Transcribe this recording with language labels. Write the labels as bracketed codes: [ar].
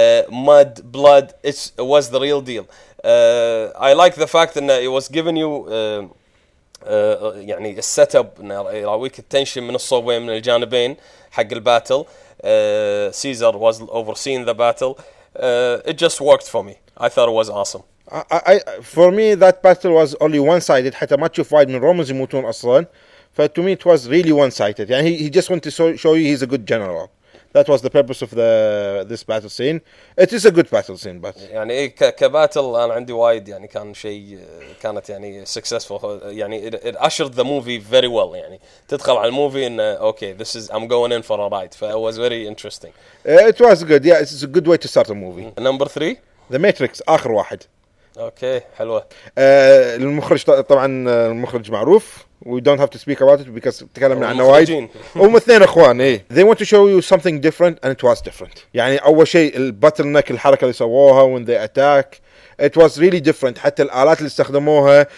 [en] Mud, blood, it was the real deal. I like the fact that it was giving you [ar] يعني السيت اب يراويك التنشن من الصوبين من الجانبين حق الباتل. [en] Caesar was overseeing the battle. It just worked for me. I thought it was awesome. I for me that battle was only one sided. [ar] حتى ما تشوف وايد من رومانز يموتون أصلاً. [en] But to me it was really one sided. يعني he just wanted to show you he's a good general. That was the purpose of this battle scene. It is a good battle scene, but [ar] يعني كباتل أنا عندي وايد يعني كان شيء كانت يعني successful. [en] يعني it ushered the movie very well. يعني [ar] تدخل على الموفي إن [en] okay this is I'm going in for a ride. So it was very interesting. It was good. Yeah, it's a good way to start a movie. Number three. The Matrix, [ar] آخر واحد. أوكي, حلوة. المخرج طبعاً المخرج معروف. [en] We don't have to speak about it because [ar] تكلمنا عنه وايد. هم اثنين أخوان. إيه. [en] They want to show you something different and it was different. [ar] يعني أول شيء البتلنك الحركة اللي سووها [en] when they attack. It was really different. [ar] حتى الآلات اللي استخدموها.